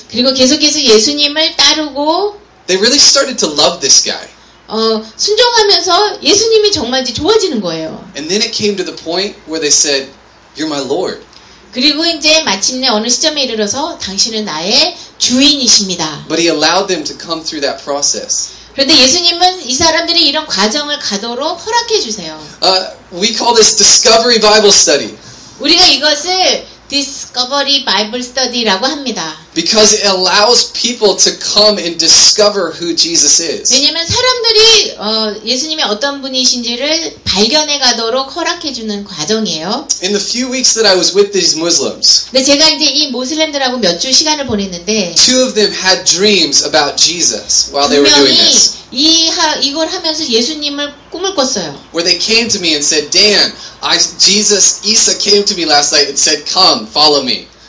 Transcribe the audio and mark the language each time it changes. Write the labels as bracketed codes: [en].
[ko] 그리고 계속해서 예수님을 따르고 [en] They really started to love this guy. [ko] 순종하면서 예수님이 정말 좋아지는 거예요. [en] And then it came to the point where they said, "You're my Lord." [ko] 그리고 이제 마침내 어느 시점에 이르러서 당신은 나의 주인이십니다. [en] But he allowed them to come through that process. [ko] 그런데 예수님은 이 사람들이 이런 과정을 가도록 허락해 주세요. [en] We call this discovery Bible study. [ko] 우리가 이것을 discovery Bible study라고 합니다. [en] Because it allows people to come and discover who Jesus is. [ko] 왜냐면 사람들이 예수님이 어떤 분이신지를 발견해 가도록 허락해 주는 과정이에요. [en] In the few weeks that I was with these Muslims. [ko] 네, 제가 이제 이 무슬림들하고 몇 주 시간을 보냈는데 [en] Two of them had dreams about Jesus while they were doing this. [ko] 이걸 하면서 예수님을 꿈을 꿨어요. [en] Where they came to me and said, "Dan, Isa came to me last night and said, 'Come, follow me.'"